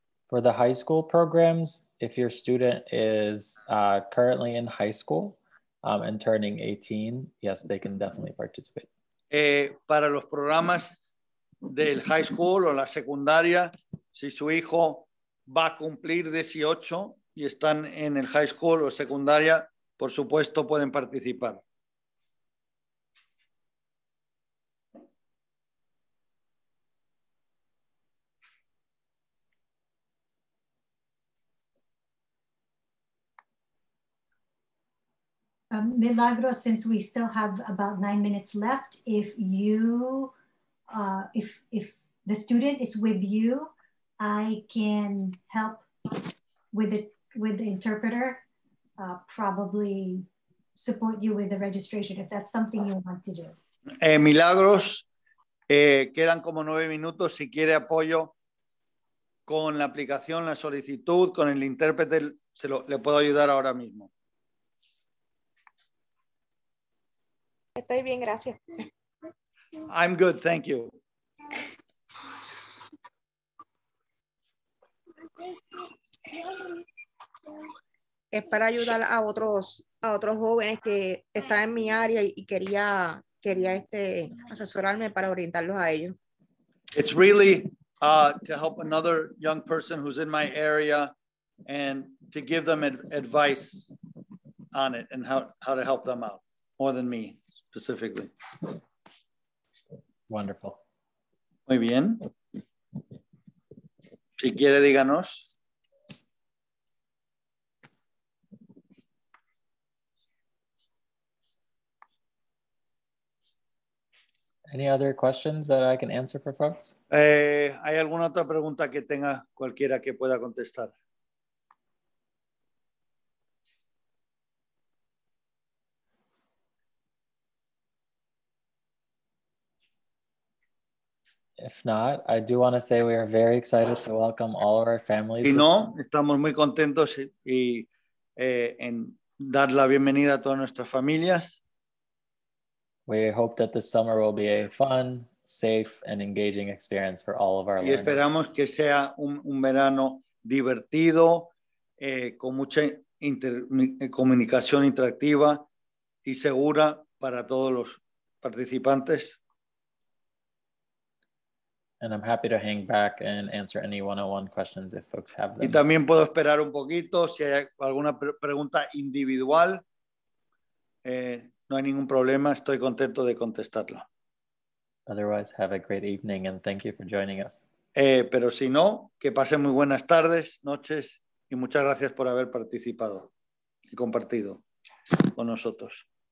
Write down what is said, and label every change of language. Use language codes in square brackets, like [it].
[en] For the high school programs, if your student is currently in high school and turning 18, yes, they can definitely participate. [es] Para los programas del high school o la secundaria, si su hijo va a cumplir 18 y están en el high school o secundaria, por supuesto pueden participar. [en] Milagros, since we still have about 9 minutes left, if you, if the student is with you, I can help with the interpreter, probably support you with the registration if that's something you want to do. [es] Milagros, quedan como 9 minutos. Si quiere apoyo con la aplicación, la solicitud, con el intérprete, le puedo ayudar ahora mismo. Estoy bien, gracias. [en] I'm good, thank you. [es] Es para ayudar a otros jóvenes que están en mi área y quería asesorarme para orientarlos a ellos. [en] It's really to help another young person who's in my area and to give them advice on it and how to help them out more than me. Specifically. Wonderful. [es] Muy bien. Si quiere, díganos. [en] Any other questions that I can answer for folks? [es] ¿Hay alguna otra pregunta que tenga cualquiera que pueda contestar? [en] If not, I do want to say we are very excited to welcome all of our families. [es] Y no, estamos muy contentos y en dar la bienvenida a todas nuestras familias. [en] We hope that this summer will be a fun, safe and engaging experience for all of our [es] learners. Y esperamos que sea un verano divertido, con mucha comunicación interactiva y segura para todos los participantes. [en] And I'm happy to hang back and answer any one-on-one questions if folks have them. [es] Y también puedo esperar un poquito si hay alguna pregunta individual. No hay ningún problema. Estoy contento de contestarla. [en] Otherwise, have a great evening and thank you for joining us. [es] Pero si no, que pasen muy buenas tardes, noches y muchas gracias por haber participado y compartido con nosotros.